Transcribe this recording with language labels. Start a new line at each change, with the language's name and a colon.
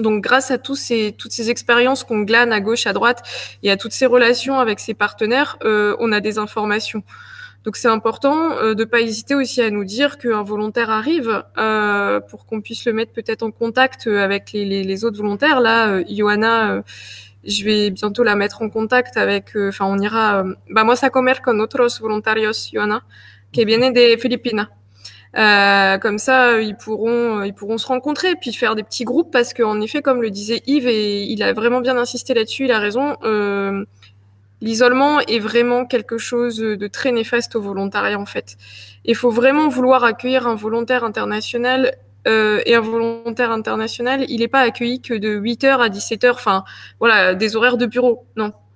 French: Donc, grâce à toutes ces expériences qu'on glane à gauche, à droite, et à toutes ces relations avec ses partenaires, on a des informations. Donc c'est important de pas hésiter aussi à nous dire qu'un volontaire arrive pour qu'on puisse le mettre peut-être en contact avec les autres volontaires. Là, Johanna, je vais bientôt la mettre en contact avec. Enfin, on ira.
Spanish: Vamos a comer con otros voluntarios, Johanna, que viene de Filipinas.
French: Comme ça, ils pourront se rencontrer puis faire des petits groupes parce qu'en effet, comme le disait Yves, et il a vraiment bien insisté là-dessus, il a raison. L'isolement est vraiment quelque chose de très néfaste au volontariat, en fait. Il faut vraiment vouloir accueillir un volontaire international. Et un volontaire international, il n'est pas accueilli que de 8h à 17h, enfin, voilà, des horaires de bureau, non.